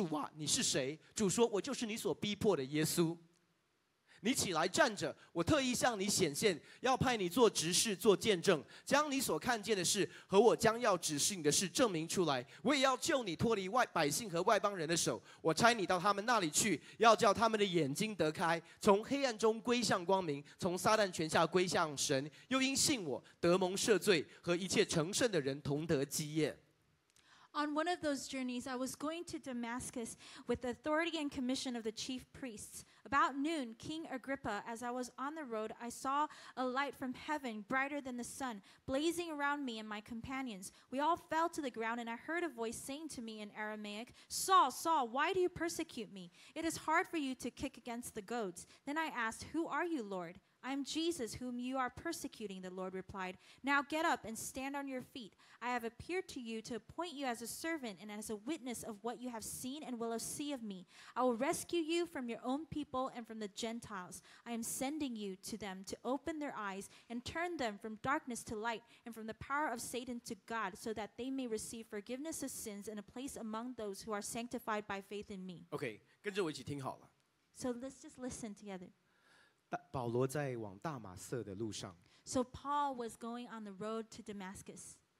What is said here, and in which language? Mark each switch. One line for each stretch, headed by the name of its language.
Chinese: 那时我领了祭司长的权柄和命令，往大马士革去。王啊，我在路上响午的时候，看见从天发光比日头还亮，四面照着我，并与我同行的人，我们都扑倒在地。我就听见有声音用希伯来话向我说：“扫罗，扫罗，为什么逼迫我？你用脚踢刺是难的。”我说：“主啊，你是谁？”主说：“我就是你所逼迫的耶稣。” 你起来站着，我特意向你显现，要派你做执事、做见证，将你所看见的事和我将要指示你的事证明出来。我也要救你脱离外百姓和外邦人的手。我差你到他们那里去，要叫他们的眼睛得开，从黑暗中归向光明，从撒旦权下归向神，又因信我得蒙赦罪和一切成圣的人同得基业。
English: On one of those journeys, I was going to Damascus with the authority and commission of the chief priests. About noon, King Agrippa, as I was on the road, I saw a light from heaven, brighter than the sun, blazing around me and my companions. We all fell to the ground, and I heard a voice saying to me in Aramaic, Saul, Saul, why do you persecute me? It is hard for you to kick against the goads. Then I asked, who are you, Lord? I am Jesus, whom you are persecuting, the Lord replied. Now get up and stand on your feet. I have appeared to you to appoint you as a servant and as a witness of what you have seen and will see of me. I will rescue you from your own people and from the Gentiles. I am sending you to them to open their eyes and turn them from darkness to light and from the power of Satan to God so that they may receive forgiveness of sins and a place among those who are sanctified by faith in me.
Chinese: Okay, 跟着我一起听好了。
English: So let's just listen together.
Chinese: 保罗在往大马色的路上,
English: so Paul was going on the road to Damascus.